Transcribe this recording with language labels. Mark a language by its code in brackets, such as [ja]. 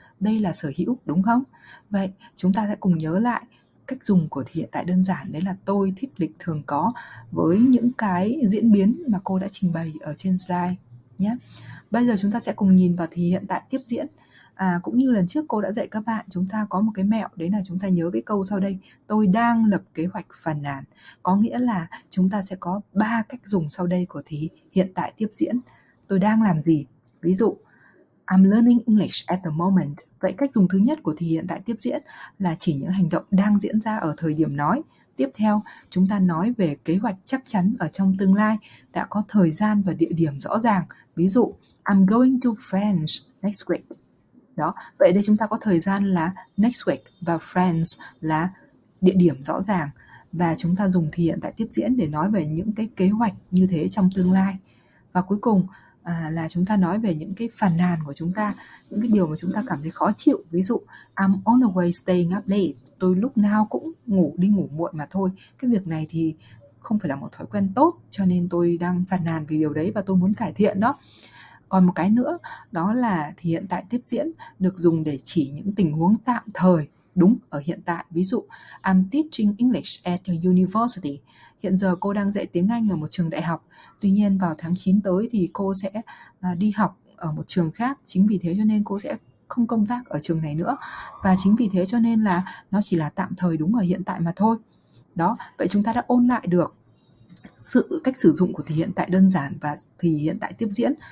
[vi] Đây là sở hữu đúng không? Vậy chúng ta sẽ cùng nhớ lại cách dùng của thì hiện tại đơn giản, đấy là tôi thích lịch thường có với những cái diễn biến mà cô đã trình bày ở trên slide nhé. Bây giờ chúng ta sẽ cùng nhìn vào thì hiện tại tiếp diễn. Cũng như lần trước cô đã dạy các bạn, chúng ta có một cái mẹo, đấy là chúng ta nhớ cái câu sau đây. Tôi đang lập kế hoạch phàn nàn. Có nghĩa là chúng ta sẽ có ba cách dùng sau đây của thì hiện tại tiếp diễn. Tôi đang làm gì? Ví dụ, [en] I'm learning English at the moment. [vi] Vậy cách dùng thứ nhất của thì hiện tại tiếp diễn là chỉ những hành động đang diễn ra ở thời điểm nói. Tiếp theo, chúng ta nói về kế hoạch chắc chắn ở trong tương lai, đã có thời gian và địa điểm rõ ràng. Ví dụ, [en] I'm going to France next week. [vi] Đó, vậy đây chúng ta có thời gian là [en] next week [vi] và France là địa điểm rõ ràng. Và chúng ta dùng thì hiện tại tiếp diễn để nói về những cái kế hoạch như thế trong tương lai. Và cuối cùng là chúng ta nói về những cái phàn nàn của chúng ta, những cái điều mà chúng ta cảm thấy khó chịu. Ví dụ, [en] I'm always staying up late. [vi] Tôi lúc nào cũng ngủ đi ngủ muộn mà thôi. Cái việc này thì không phải là một thói quen tốt, cho nên tôi đang phàn nàn vì điều đấy và tôi muốn cải thiện đó. Còn một cái nữa, đó là thì hiện tại tiếp diễn được dùng để chỉ những tình huống tạm thời đúng ở hiện tại. Ví dụ, [en] I'm teaching English at the university. [vi] Hiện giờ cô đang dạy tiếng Anh ở một trường đại học. Tuy nhiên vào tháng 9 tới thì cô sẽ đi học ở một trường khác. Chính vì thế cho nên cô sẽ không công tác ở trường này nữa. Và chính vì thế cho nên là nó chỉ là tạm thời đúng ở hiện tại mà thôi. Đó, vậy chúng ta đã ôn lại được sự cách sử dụng của thì hiện tại đơn giản và thì hiện tại tiếp diễn.